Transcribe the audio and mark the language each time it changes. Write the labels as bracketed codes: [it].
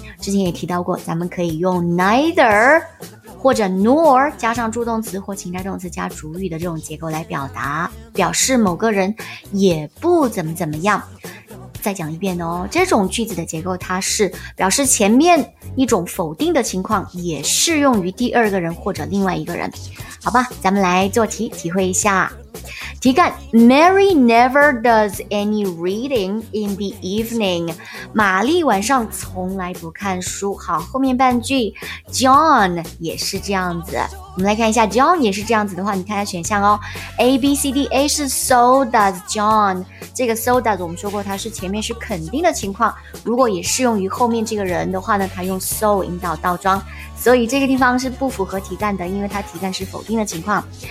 [zh] 之前也提到过，咱们可以用 neither 或者 nor 加上助动词或情态动词加主语的这种结构来表达，表示某个人也不怎么怎么样。再讲一遍哦，这种句子的结构它是表示前面一种否定的情况也适用于第二个人或者另外一个人。好吧，咱们来做题体会一下。题干， [en] Mary never does any reading in the evening. [zh] 玛丽晚上从来不看书。好，后面半句 John 也是这样子。我们来看一下 John 也是这样子的话，你看一下选项哦， ABCD A 是 [en] So does John。 [zh] 这个 So does 我们说过它是前面是肯定的情况，如果也适用于后面这个人的话呢，它用 So 引导倒装，所以这个地方是不符合题干的，因为它题干是否定的情况。